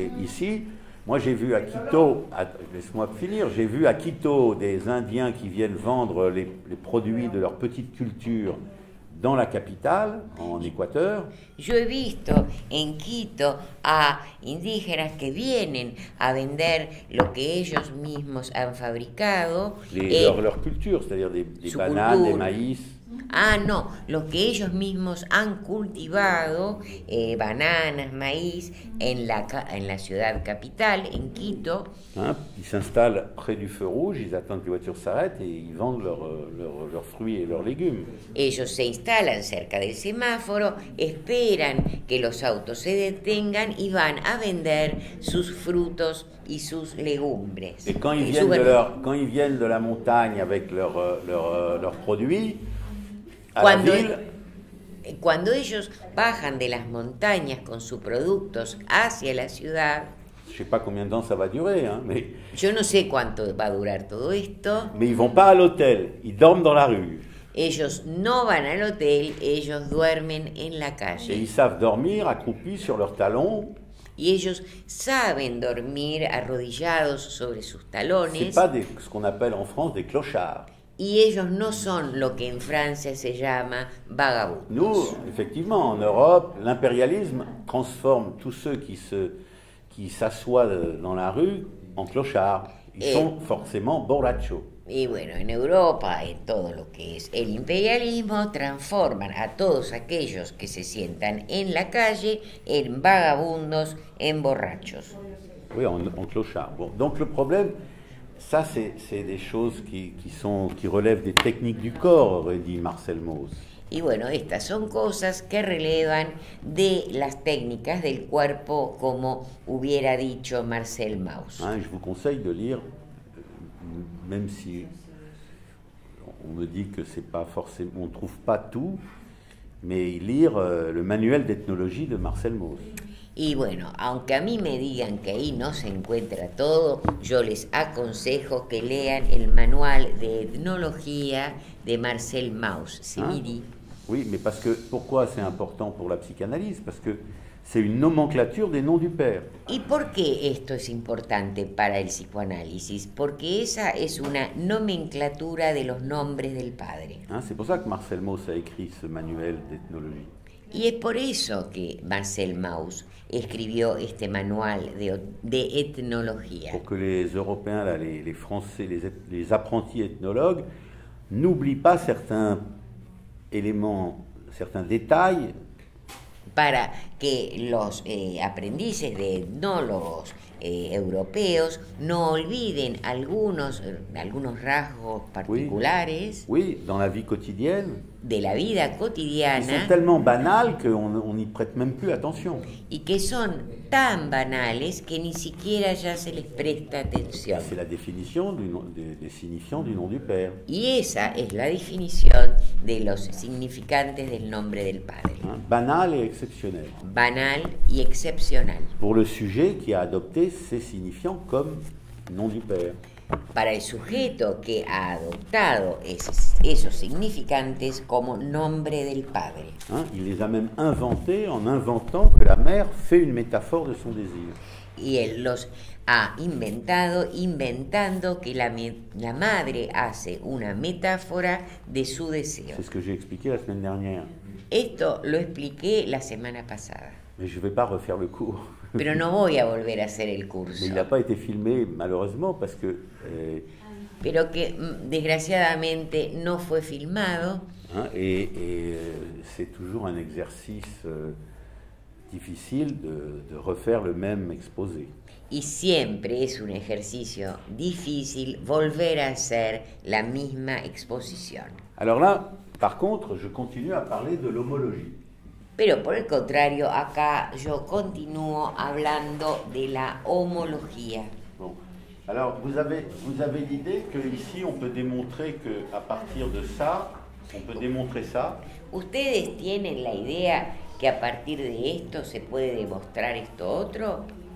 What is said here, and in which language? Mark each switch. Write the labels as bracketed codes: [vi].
[fr] Ici, moi j'ai vu à Quito, laisse-moi finir, j'ai vu à Quito des Indiens qui viennent vendre les produits de leur petite culture dans la capitale, en Équateur. [es] Je he visto en Quito a indígenas que vienen a vender lo que ellos mismos han fabricado. [fr] Leur culture, c'est-à-dire des bananes, culture. Des maïs. [es] Ah, no, lo que ellos mismos han cultivado, bananas, maíz, en la ciudad capital, en Quito. [fr] Hein, ils s'installent près du feu rouge, ils attendent que la voiture s'arrête et ils vendent leurs fruits et leurs légumes. [es] Ellos se instalan cerca del semáforo, esperan que los autos se detengan y van a vender sus frutos y sus legumbres. [fr] Et quand ils viennent de la montagne avec leurs produits, [es] cuando, cuando ellos bajan de las montañas con sus productos hacia la ciudad. [fr] Je sais pas combien de temps ça va durer, hein, mais. [es] Yo no sé cuánto va a durar todo esto. [fr] Mais ils vont pas à l'hôtel, ils dorment dans la rue. [es] Ellos no van al hotel, ellos duermen en la calle. [fr] Et ils savent dormir accroupis sur leurs talons. [es] Y ellos saben dormir arrodillados sobre sus talones. [fr] C'est pas des, ce qu'on appelle en France des clochards. [es] Y ellos no son lo que en Francia se llama vagabundos. [fr] Nous, effectivement, en Europe, l'impérialisme transforme tous ceux qui se qui s'assoient dans la rue en clochards. Ils sont forcément [es] borracho. Y bueno, en Europa, en todo lo que es el imperialismo, transforman a todos aquellos que se sientan en la calle en vagabundos, en borrachos. [fr] Oui, en clochard. Bon, donc le problème, ça c'est des choses qui relèvent des techniques du corps, aurait dit Marcel Mauss. [es] Y bueno, estas son cosas que relevan de las técnicas del cuerpo, como hubiera dicho Marcel Mauss. [fr] Hein, je vous conseille de lire, même si on me dit que c'est pas forcément, on trouve pas tout, mais lire le manuel d'ethnologie de Marcel Mauss. [es] Y bueno, aunque a mí me digan que ahí no se encuentra todo, yo les aconsejo que lean el manual de etnología de Marcel Mauss. [fr] C'est midi. Oui, mais parce que pourquoi c'est important pour la psychanalyse? Parce que c'est une nomenclature des noms du père. [es] ¿Y por qué esto es importante para el psicoanálisis? Porque esa es una nomenclatura de los nombres del padre. [fr] Hein, c'est pour ça que Marcel Mauss a écrit ce manuel d'ethnologie. [es] Y es por eso que Marcel Mauss escribió este manual de etnología. [fr] Pour que les Européens, là, les Français, les apprentis ethnologues n'oublient pas certains éléments, certains détails. [es] Para que los aprendices de etnólogos europeos no olviden algunos rasgos particulares. [fr] Oui, dans la vie quotidienne. [es] De la vida cotidiana. [fr] Ils sont tellement banals qu'on n'y prête même plus attention. [es] Y que son tan banales que ni siquiera ya se les presta atención. [fr] C'est la définition des signifiants du nom du père. [es] Y esa es la definición de los significantes del nombre del padre. [fr] Hein? Banal et exceptionnel. [es] Banal y excepcional. [fr] Pour le sujet qui a adopté ces signifiants comme nom du père. [es] Para el sujeto que ha adoptado esos significantes como nombre del padre. [fr] Hein, il les a même inventés en inventant que la mère fait une métaphore de son désir. [es] Y él los ha inventado inventando que la madre hace una metáfora de su deseo. [fr] C'est ce que j'ai expliqué la semaine dernière. [es] Esto lo expliqué la semana pasada. [fr] Mais je vais pas refaire le cours. [es] Pero no voy a volver a hacer el curso. [fr] Mais il n'a pas été filmé, malheureusement, parce que. [es] Pero que desgraciadamente no fue filmado. [fr] Hein, et c'est toujours un exercice difficile de refaire le même exposé. [es] Y siempre es un ejercicio difícil volver a hacer la misma exposición. [fr] Alors là, par contre, je continue à parler de l'homologie. [es] Pero por el contrario, acá yo continúo hablando de la homología. [fr] Bon. Alors, vous avez l'idée que ici on peut démontrer que à partir de ça, on peut démontrer ça. [es] ¿Ustedes tienen la idea que a partir de esto se puede demostrar esto otro?